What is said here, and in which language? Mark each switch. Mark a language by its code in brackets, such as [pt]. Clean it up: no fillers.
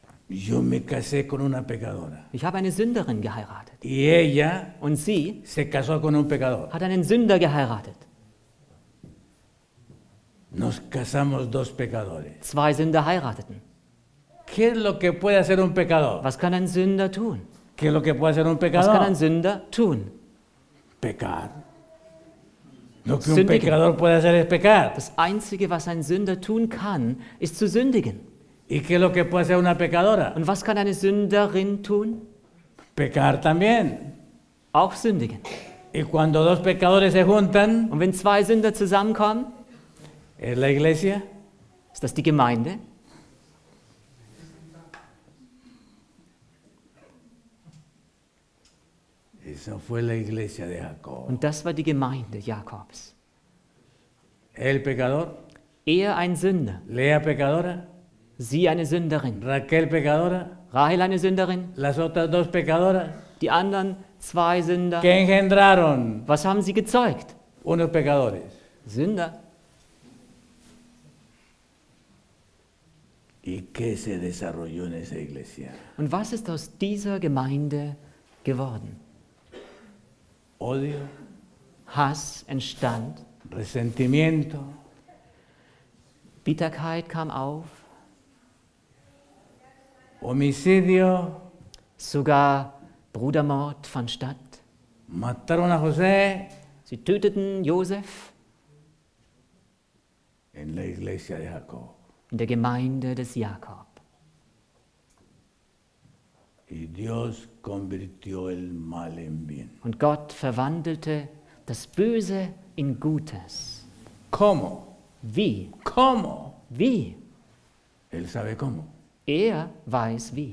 [es] Yo me casé con una pecadora. [de] Ich habe eine Sünderin geheiratet. [es] Y ella [de] und sie [es] se casó con un pecador. [de] Hat einen Sünder geheiratet. [es] Nos casamos dos pecadores. [de] Zwei Sünder heirateten. [es] ¿Qué es lo que puede hacer un pecador? [de] Was kann ein Sünder tun? [es] ¿Qué es lo que puede hacer un pecador? [de] Was kann ein Sünder tun? [es] Pecar. Lo que [de] sündigen. [es] Un pecador puede hacer es pecar. [de] Das Einzige, was ein Sünder tun kann, ist zu sündigen. [es] ¿Y qué es lo que puede hacer una pecadora? [de] Und was kann eine Sünderin tun? [es] Pecar también. [de] Auch sündigen. [es] Y cuando dos pecadores se juntan, [de] und wenn zwei Sünder zusammenkommen, [es] ¿es la iglesia? [de] Ist das die Gemeinde? [es] Esa fue la iglesia de Jacob. [de] Und das war die Gemeinde Jakobs. [es] El pecador. [de] Er ein Sünder. [es] Lea pecadora. [de] Sie eine Sünderin. [es] Raquel pecadora. [de] Rahel eine Sünderin. [es] Las otras dos pecadoras. [de] Die anderen zwei Sünder. [es] ¿Qué engendraron? [de] Was haben sie gezeugt? [es] Unos pecadores. [de] Sünder. [es] ¿Y qué se desarrolló en esa iglesia? [de] Und was ist aus dieser Gemeinde geworden? [es] Odio. [de] Hass entstand. [es] Resentimiento. [de] Bitterkeit kam auf. [es] Homicidio. [de] Sogar Brudermord fand statt. [es] Mataron a José. [de] Sie töteten Josef. [es] En la iglesia de Jacob. [de] In der Gemeinde des Jakob. [es] Y Dios convirtió el mal en bien. [de] Und Gott verwandelte das Böse in Gutes. [es] ¿Cómo? [de] Wie? [es] ¿Cómo? [de] Wie? [es] Él sabe cómo. [de] Er weiß wie.